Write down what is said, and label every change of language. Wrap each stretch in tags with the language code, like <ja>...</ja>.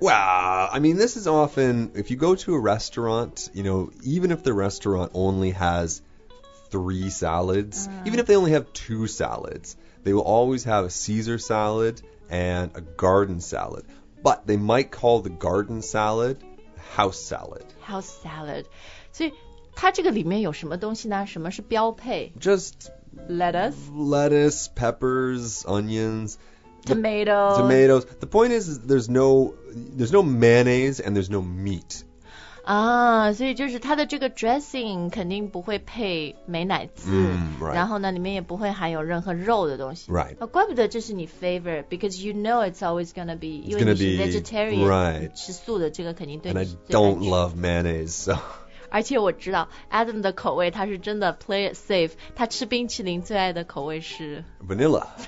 <en>Well, I mean, this is often, if you go to a restaurant, you know, even if the restaurant only has three salads, even if they only have two salads, they will always have a Caesar salad and a garden salad. But they might call the garden salad house salad. House salad.</en> <zh>所以它这个里面有什么东西呢？什么是标配？</zh> <en>Just... Lettuce, peppers, onions, tomatoes. The point is there's no mayonnaise and there's no meat.</en> <zh>啊，所以就是它的这个 dressing 肯定不会配美乃滋，</zh> <en>right.</en> <zh>然后呢，里面也不会含有任何肉的东西。</zh> <en>Right.</en> <zh>啊，怪不得这是你</zh> <en>favorite, because you know it's always gonna be,</en> <zh>因为你是 vegetarian,</zh> <en>right.</en> <zh>吃素的这个肯定对你是最安全。</zh> <en>And I don't love mayonnaise, so...</en> <zh>而且我知道 Adam 的口味他是真的</zh> <en>play it safe,</en> <zh>他吃冰淇淋最爱的口味是</zh> <en>Vanilla</en>